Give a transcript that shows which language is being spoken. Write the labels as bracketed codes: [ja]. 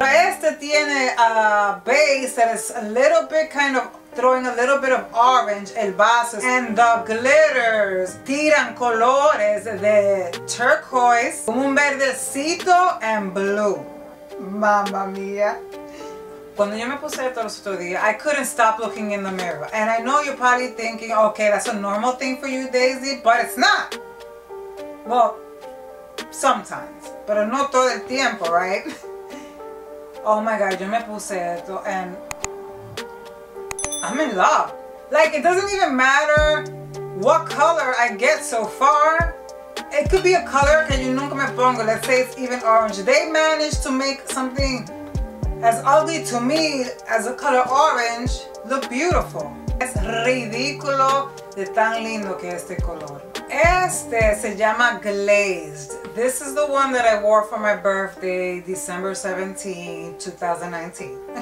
[es] Pero este tiene [en] a base that is a little bit kind of throwing a little bit of orange, [es] el base, [en] and the glitters [es] tiran colores de [en] turquoise, [es] un verdecito, [en] and blue. [es] Mamma mia. Cuando yo me puse esto los otros días, [en] I couldn't stop looking in the mirror. And I know you're probably thinking, okay, that's a normal thing for you, Daisy, but it's not. Well, sometimes, [es] pero no todo el tiempo, [en] right? Oh my God, [es] yo me puse esto, [en] and I'm in love. Like, it doesn't even matter what color I get so far. It could be a color [es] que yo nunca me pongo. [en] Let's say it's even orange. They managed to make something as ugly to me as the color orange look beautiful. [es] Es ridículo de tan lindo que este color. Este se llama Glazed. [en] This is the one that I wore for my birthday, December 17, 2019.